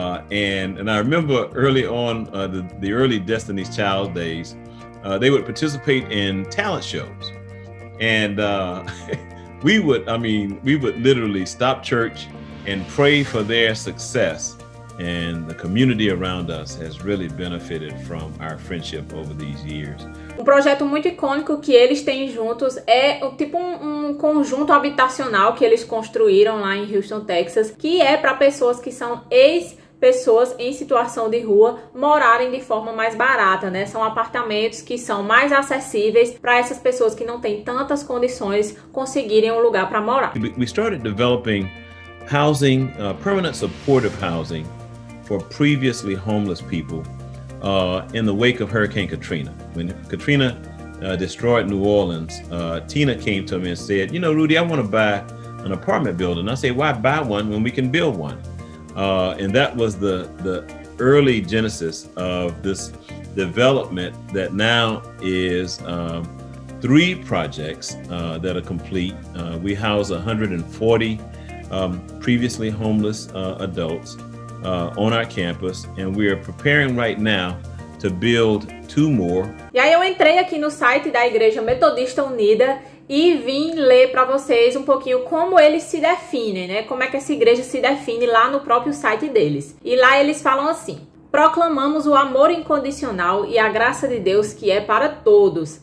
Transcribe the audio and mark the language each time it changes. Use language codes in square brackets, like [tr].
[en] And I remember early on, the early Destiny's Child days, they would participate in talent shows. And we would literally stop church and pray for their success. And the community around us has really benefited from our friendship over these years. [pt] Um projeto muito icônico que eles têm juntos é o tipo um conjunto habitacional que eles construíram lá em Houston, Texas, que é para pessoas que são ex-pessoas em situação de rua morarem de forma mais barata, né? São apartamentos que são mais acessíveis para essas pessoas que não têm tantas condições conseguirem um lugar para morar. [en] We started developing housing, permanent supportive housing for previously homeless people in the wake of Hurricane Katrina. When Katrina destroyed New Orleans, Tina came to me and said, you know, Rudy, I want to buy an apartment building. I said, why buy one when we can build one? And that was the early genesis of this development that now is three projects that are complete. We house 140 previously homeless adults on our campus, and we are preparing right now to build two more. [pt] E aí eu entrei aqui no site da Igreja Metodista Unida e vim ler para vocês um pouquinho como eles se definem, né? Como é que essa igreja se define lá no próprio site deles. E lá eles falam assim: proclamamos o amor incondicional e a graça de Deus que é para todos.